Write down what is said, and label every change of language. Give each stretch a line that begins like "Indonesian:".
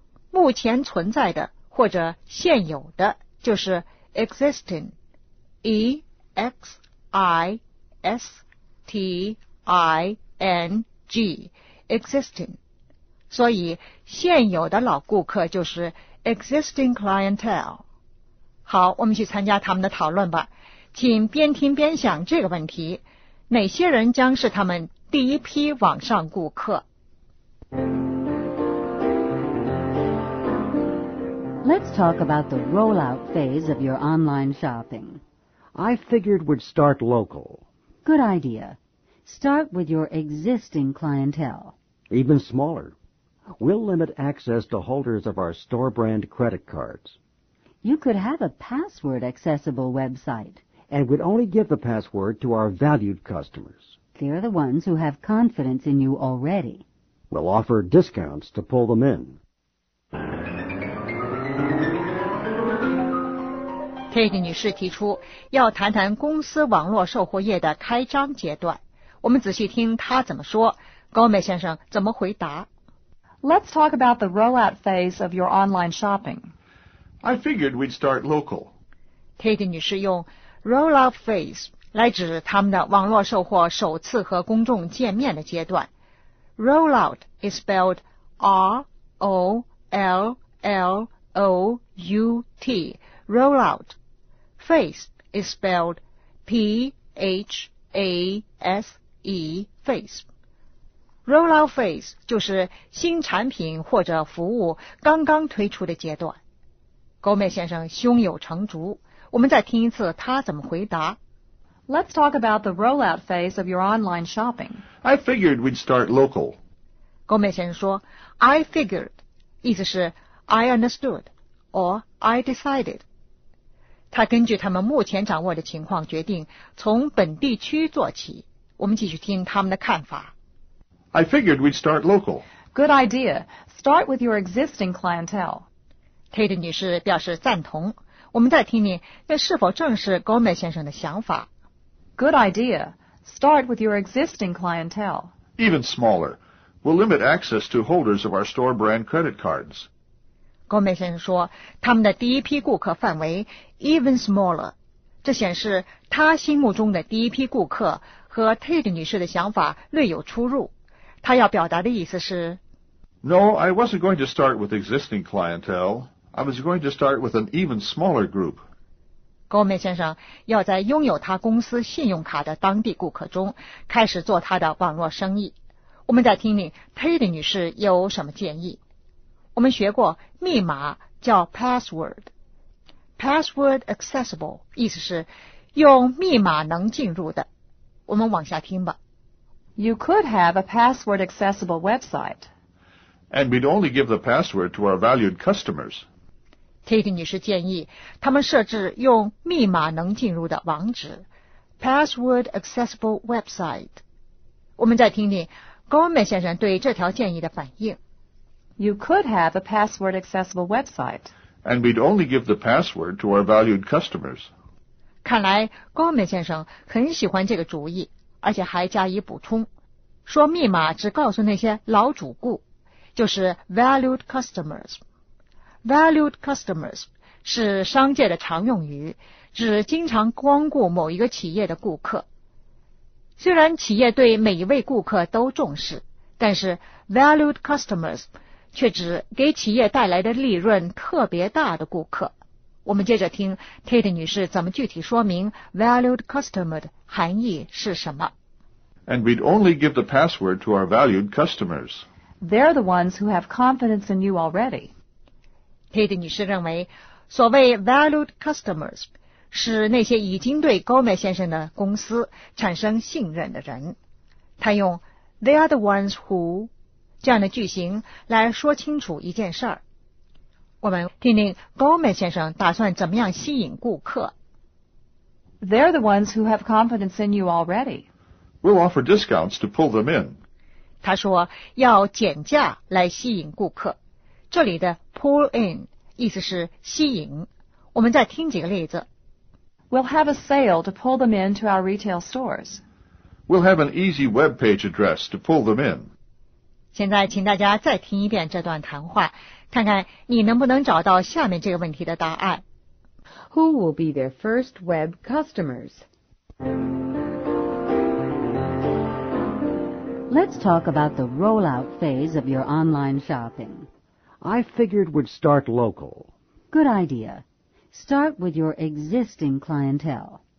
Chinese: 目前存在的或者现有的就是
English: existing, E-X-I-S-T-I-N-G, existing,
Chinese: 所以现有的老顾客就是
English: existing clientele。
Chinese: 好，我们去参加他们的讨论吧，请边听边想这个问题，哪些人将是他们第一批网上顾客？
English: Let's talk about the rollout phase of your online shopping. I figured we'd start local. Good idea. Start with your existing clientele. Even smaller. We'll limit access to holders of our store brand credit cards. You could have a password accessible website. And we'd only give the password to our valued customers. They're the ones who have confidence in you already. We'll offer discounts to pull them in.
Chinese: Kate 女士提出要谈谈公司网络售货业的开张阶段，我们仔细听她怎么说，高美先生怎么回答。
English: Let's talk about the rollout phase of your online shopping. I figured we'd start local.
Chinese: Kate 女士用
English: rollout phase
Chinese: 来指他们的网络售货首次和公众见面的阶段。
English: Rollout is spelled R-O-L-L-O-U-T rollout. Phase is spelled P-H-A-S-E, phase. Rollout phase
Chinese: 就是新产品或者服务刚刚推出的阶段。高美先生胸有成竹，我们再听一次他怎么回答。
English: Let's talk about the rollout phase of your online shopping. I figured we'd start local.
Chinese: 高美先生说
English: I figured,
Chinese: 意思是
English: I understood, or I decided.
Chinese: 他根据他们目前掌握的情况决定从本地区做起。我们继续听他们的看法。
English: I figured we'd start local. Good idea. Start with your existing clientele.
Chinese: Tate 女士表示赞同。我们再听听那是否正是 Gomez 先生的想法。
English: Good idea. Start with your existing clientele. Even smaller. We'll limit access to holders of our store brand credit cards.
Chinese: 高美先生说他们的第一批顾客范围
English: even smaller,
Chinese: 这显示他心目中的第一批顾客和 Tate 女士的想法略有出入。他要表达的意思是
English: No, I wasn't going to start with existing clientele. I was going to start with an even smaller group.
Chinese: 高美先生要在拥有他公司信用卡的当地顾客中开始做他的网络生意。我们再听听 Tate 女士有什么建议。我们学过密码叫 password,
English: password accessible,
Chinese: 意思是用密码能进入的。我们往下听吧。
English: You could have a password accessible website. And we'd only give the password to our valued customers.
Chinese: Tate 女士建议他们设置用密码能进入的网址
English: password accessible website.
Chinese: 我们再听听 Gomez 先生对这条建议的反应。
English: You could have a password accessible website. And we'd only give the password to our valued customers.
Chinese: 看来高美先生很喜欢这个主意，而且还加以补充，说密码只告诉那些老主顾，就是
English: valued customers. Valued customers
Chinese: 是商界的常用语，指经常光顾某一个企业的顾客。虽然企业对每一位顾客都重视，但是
English: valued customers
Chinese: 却指给企业带来的利润特别大的顾客。我们接着听 Tate 女士怎么具体说明
English: valued customer
Chinese: 的含义是什么。
English: And we'd only give the password to our valued customers. They're the ones who have confidence in you already.
Chinese: Tate 女士认为，所谓
English: valued customers
Chinese: 是那些已经对 Gomez 先生的公司产生信任的人。她用
English: they are the ones who
Chinese: 这样的句型来说清楚一件事儿。我们听听 Gomez 先生打算怎么样吸引顾客。
English: They're the ones who have confidence in you already. We'll offer discounts to pull them in.
Chinese: 他说要减价来吸引顾客。这里的
English: pull in
Chinese: 意思是吸引。我们再听几个例子。
English: We'll have a sale to pull them into our retail stores. We'll have an easy web page address to pull them in.
Chinese: 现在请大家再听一遍这段谈话。看看你能不能找到下面这个问题的答案。
English: Who will be their first web customers? Let's talk about the rollout phase of your online shopping. I figured we'd start local. Good idea. Start with your existing clientele.